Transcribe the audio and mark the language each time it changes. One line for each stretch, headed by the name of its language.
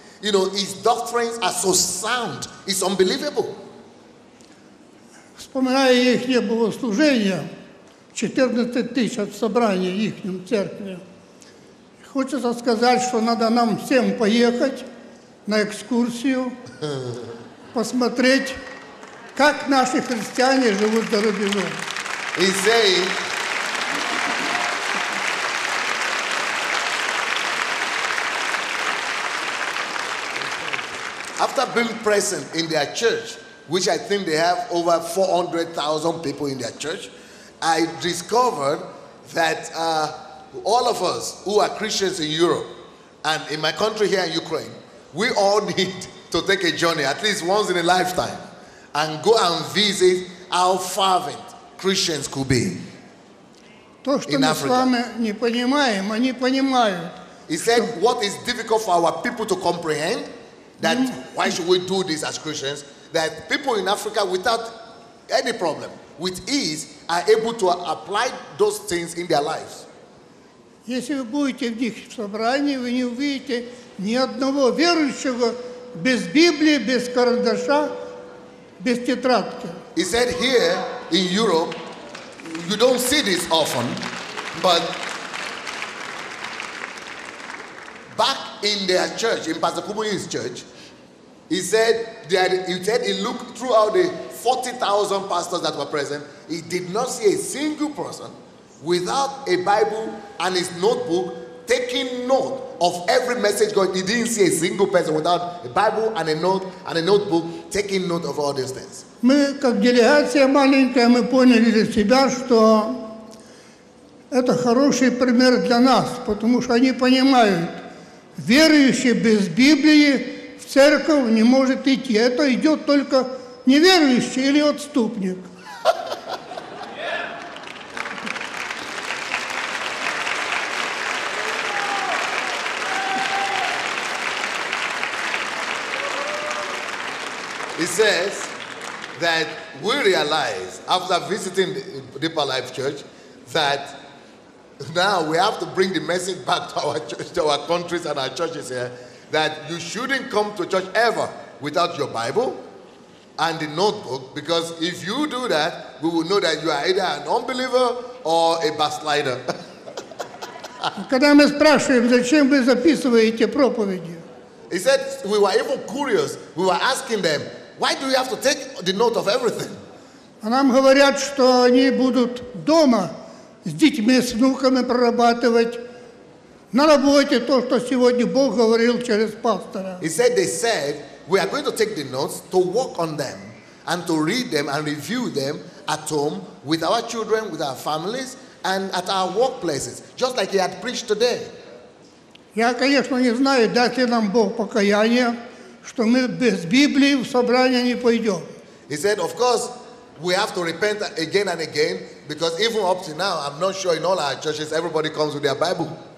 English: You know, his doctrines are so sound; it's unbelievable.
Russian: Вспоминая их богослужения. 14,000 от собрания их церкви. Хочется сказать, что надо нам всем поехать на экскурсию, посмотреть, как наши христиане живут за рубежом.
English: He say, after being present in their church, which I think they have over 400,000 people in their church, I discovered that all of us who are Christians in Europe and in my country here in Ukraine, we all need to take a journey at least once in a lifetime and go and visit how fervent Christians could be
Russian: то, что
English: in Africa.
Russian: Мы с вами не понимаем, они понимают,
English: he said,
Russian: что...
English: what is difficult for our people to comprehend, that why should we do this as Christians, that people in Africa without any problem, with ease, are able to apply those things in their lives.
Russian: Если вы будете в них в собрании, вы не увидите ни одного верующего без Библии, без карандаша, без тетрадки.
English: He said here in Europe, you don't see this often, but back in their church, in Pastor Kumuyi's church, he said he looked throughout the 40,000 pastors that were present, he did not see a single person without a Bible and his notebook taking note of every message going. He didn't see a single person without a Bible and a note and a notebook taking note of all these things.
Russian: Мы как делегация маленькая, мы поняли для себя, что это хороший пример для нас, потому что они понимают, верующий без Библии в церковь не может идти. Это идет только неверующий или отступник.
English: He says that we realize after visiting Deeper Life Church that now we have to bring the message back to our church, to our countries and our churches here, that you shouldn't come to church ever without your Bible and the notebook, because if you do that, we will know that you are either an unbeliever or a backslider.
Russian: Когда мы спрашиваем, зачем вы записываете проповеди?
English: He said we were even curious. We were asking them, why do you have to take the note of everything?
Russian: А нам говорят, что они будут дома с детьми, с внуками прорабатывать на работе то, что сегодня Бог говорил через пастора.
English: He said they said we are going to take the notes to work on them and to read them and review them at home with our children, with our families. And at our workplaces, just like he had preached today.
Russian: Я, конечно, не знаю, даст ли нам Бог покаяние, что мы без Библии в собрание не пойдем.
English: He said, of course, we have to repent again and again, because even up to now, I'm not sure in all our churches, everybody comes with their Bible.